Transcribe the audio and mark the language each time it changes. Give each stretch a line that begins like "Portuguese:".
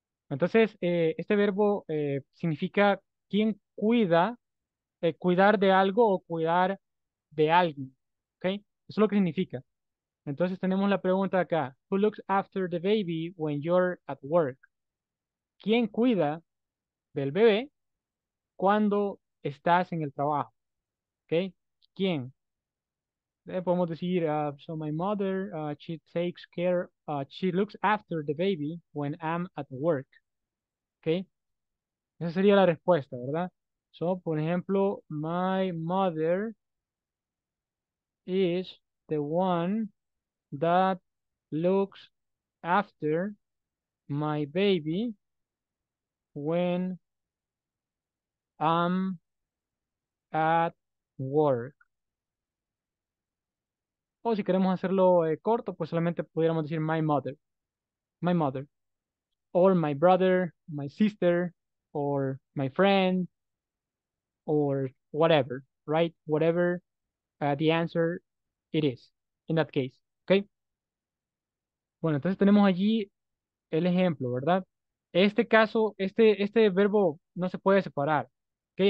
Spanish: Entonces, este verbo significa quién cuida, cuidar de algo o cuidar de alguien, ¿ok? Eso es lo que significa. Entonces, tenemos la pregunta acá.
English: Who looks after the baby when you're at work?
Spanish: ¿Quién cuida del bebé cuando estás en el trabajo? ¿Ok? ¿Quién? Podemos decir,
English: so my mother, she takes care, she looks after the baby when I'm at work. Okay?
Spanish: Esa sería la respuesta, ¿verdad?
English: So,
Spanish: por ejemplo,
English: my mother is the one that looks after my baby when I'm at work.
Spanish: O si queremos hacerlo corto, pues solamente pudiéramos decir
English: my mother. My mother. Or my brother, my sister, or my friend, or whatever, right? Whatever the answer it is in that case, okay?
Spanish: Bueno, entonces tenemos allí el ejemplo, ¿verdad? Este caso, este verbo no se puede separar, okay?